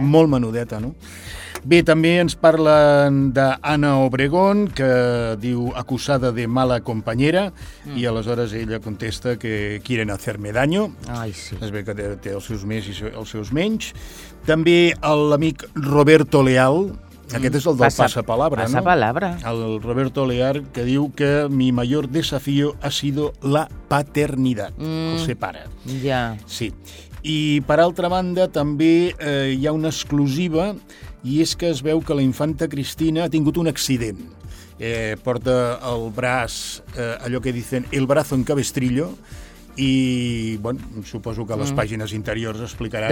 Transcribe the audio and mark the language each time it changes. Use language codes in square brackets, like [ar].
[ca] Molt menudeta, no? Bé, també ens parlen d'Anna Obregón, que diu [es] acusada de mala compañera, [ca] i aleshores ella contesta que [es] quieren hacerme daño. [ca] Ai, sí. Es ve que té els seus més i els seus menys. També l'amic Roberto Leal, aquest és el del passapalabra, no? Passapalabra. El Roberto Lear, que diu que [es] mi mayor desafío ha sido la paternidad, [ca] el ser pare. Sí. I, per altra banda, també hi ha una exclusiva, i és que es veu que la infanta Cristina ha tingut un accident. Porta el braç, allò que [es] dicen, el brazo en cabestrillo, [ca] i, bueno, suposo que les pàgines interiors explicaran...